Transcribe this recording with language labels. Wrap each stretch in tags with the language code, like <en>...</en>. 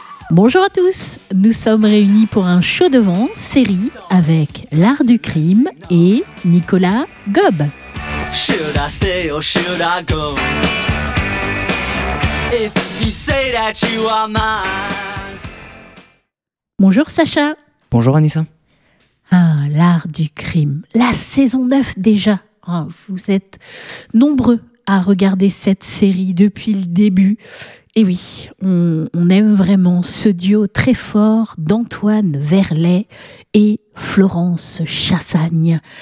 <fr>Bonjour à tous, nous sommes réunis pour un show devant série avec l'art du crime et Nicolas Gob.</fr> <en>Should I stay or should I go? If you say that you are mine.</en> <fr>Bonjour Sacha. Bonjour Anissa. Ah, l'art du crime, la saison 9 déjà. Oh, vous êtes nombreux à regarder cette série depuis le début. Et oui, on aime vraiment ce duo très fort d'Antoine Verlet et Florence Chassagne.</fr>